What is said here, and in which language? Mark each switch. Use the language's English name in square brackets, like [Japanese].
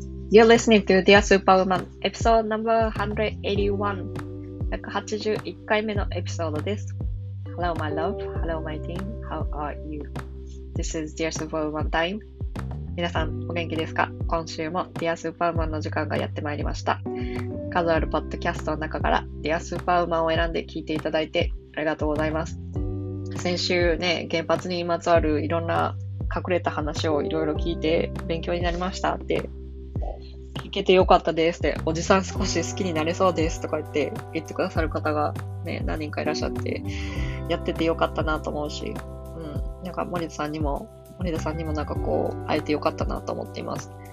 [English] You're listening to Dear Superwoman, episode number 181. [Japanese] 181回目のエピソードです。 [English] Hello, my love. Hello, my team. How are you? This is Dear Superwoman time. [Japanese] 皆さん、お元気ですか？今週も Dear Superwoman の時間がやってまいりました。数あるポッドキャストの中から Dear Superwoman を選んで聞いていただいてありがとうございます。先週ね、原発にまつわるいろんな隠れた話をいろいろ聞いて勉強になりましたって、聞けてよかったですって、おじさん少し好きになれそうですとか言ってくださる方がね、何人かいらっしゃって、やっててよかったなと思うし、うん、なんか森田さんにもなんかこう、会えてよかったなと思っています。